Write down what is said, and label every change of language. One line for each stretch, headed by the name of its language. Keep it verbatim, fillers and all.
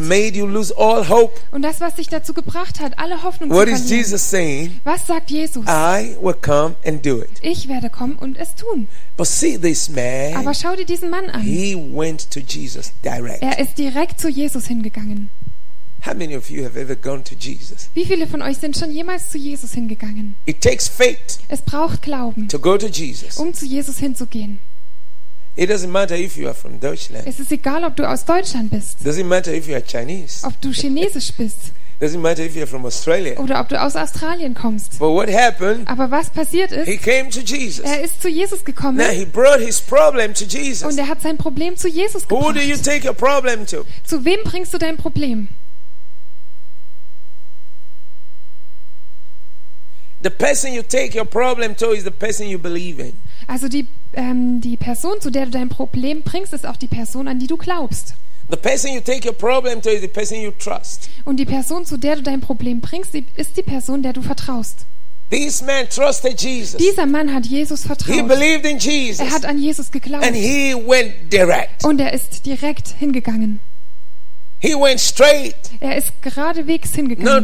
English: made you lose all hope.
German: Und das, was dich dazu gebracht hat, alle Hoffnung
English: What
German: zu
English: is
German: verlieren.
English: Jesus saying?
German: Was sagt Jesus?
English: I will come and do it.
German: Ich werde kommen und es tun.
English: But see this man.
German: Aber schau dir diesen Mann an.
English: He went to Jesus direct.
German: Er ist direkt zu Jesus hingegangen.
English: How many of you have ever gone to Jesus?
German: Wie viele von euch sind schon jemals zu Jesus hingegangen?
English: It takes faith
German: Es braucht Glauben,
English: to go to Jesus.
German: um zu Jesus hinzugehen.
English: It doesn't matter if you are from Deutschland.
German: Es ist egal, ob du aus Deutschland bist.
English: Doesn't matter if you are Chinese.
German: Ob du Chinesisch bist.
English: Doesn't matter if you are from Australia.
German: Oder ob du aus Australien kommst.
English: But what happened?
German: Aber was passiert ist?
English: He came to Jesus.
German: Er ist zu Jesus gekommen.
English: Now he brought his problem to Jesus.
German: Und er hat sein Problem zu Jesus
English: Who do
German: gebracht.
English: you take your problem to?
German: Zu wem bringst du dein Problem?
English: The person you take your problem to is the person you believe in.
German: Also die, ähm, die Person, zu der du dein Problem bringst, ist auch die Person, an die du glaubst.
English: The person you take your problem to is the person you trust.
German: Und die Person, zu der du dein Problem bringst, die ist die Person, der du vertraust.
English: This man trusted Jesus.
German: Dieser Mann hat Jesus vertraut.
English: He believed in Jesus.
German: Er hat an Jesus geglaubt.
English: And he went direct.
German: Und er ist direkt hingegangen.
English: He went straight,
German: Er ist geradewegs hingegangen.